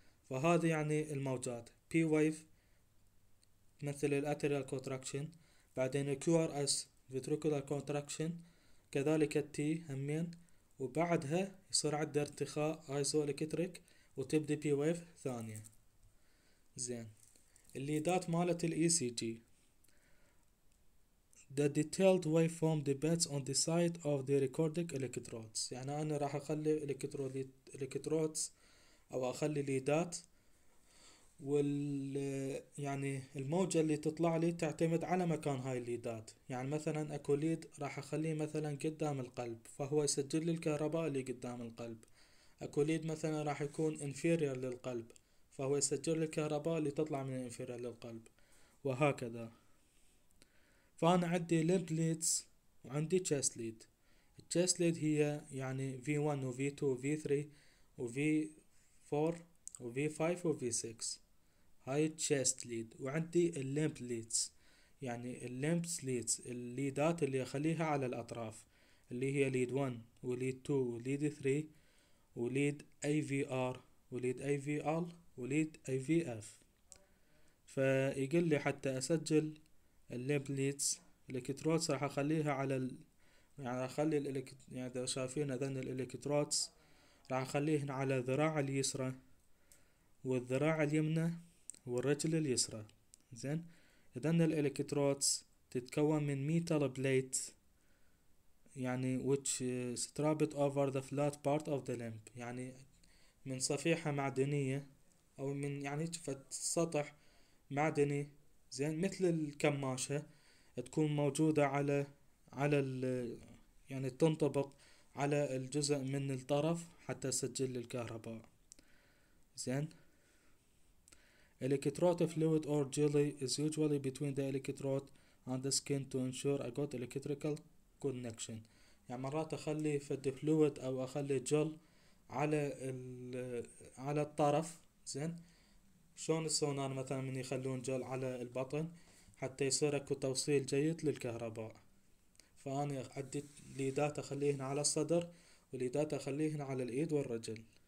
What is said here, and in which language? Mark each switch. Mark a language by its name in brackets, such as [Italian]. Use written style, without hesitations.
[Arabic] فهذه يعني الموجات بي ويف مثل الاتريال كونتراكشن، بعدين الكيو ار اس فيتريكولار كونتراكشن، كذلك التي همين، وبعدها يصير عندي ارتخاء ايزو الكتريك وتبدي بي ويف ثانية. زين الليدات مالت الاي سي جي. [English] The detailed waveform depends on the site of the recording electrodes. [Arabic] يعني أنا راح أخلي electrodes أو أخلي ليدات، وال يعني الموجة اللي تطلع لي تعتمد على مكان هاي الليدات. يعني مثلاً أكو ليد راح أخليه مثلاً قدام القلب، فهو يسجل لي الكهرباء اللي قدام القلب. أكو ليد مثلاً راح يكون inferior للقلب، فهو يسجل لي الكهرباء اللي تطلع من inferior للقلب، وهكذا. فأنا عندي limp leads وعندي chest lead. chest lead هي يعني V1 و V2 و V3 و V4 و V5 و V6 هاي chest lead. وعندي limp leads يعني limp leads الليدات اللي أخليها على الأطراف، اللي هي lead 1 و lead 2 و lead 3 و lead AVR و lead AVL و lead AVF. فيقل لي حتى أسجل الليمب ليدز الالكتروتس راح اخليها على ال... يعني اخلي الالكت يعني اذا شايفين اذن الالكتروتس راح اخليهن على الذراع اليسرى والذراع اليمنى والرجل اليسرى. زين اذن الالكتروتس تتكون من ميتال بليت يعني [English] which strapped over the flat part of the limb، [Arabic] يعني من صفيحة معدنية او من يعني شفت سطح معدني زين مثل الكماشة تكون موجودة على على ال يعني تنطبق على الجزء من الطرف حتى تسجل الكهرباء. [English] زين electrode fluid or jelly is usually between the electrode and the skin to ensure a good electrical connection. [Arabic] يعني مرات أخلي فد fluid أو أخلي جل على على الطرف. زين شلون السونار مثلا من يخلون جل على البطن حتى يصير اكو توصيل جيد للكهرباء. فاني عدي ليدات اخليهن على الصدر وليدات اخليهن على الايد والرجل.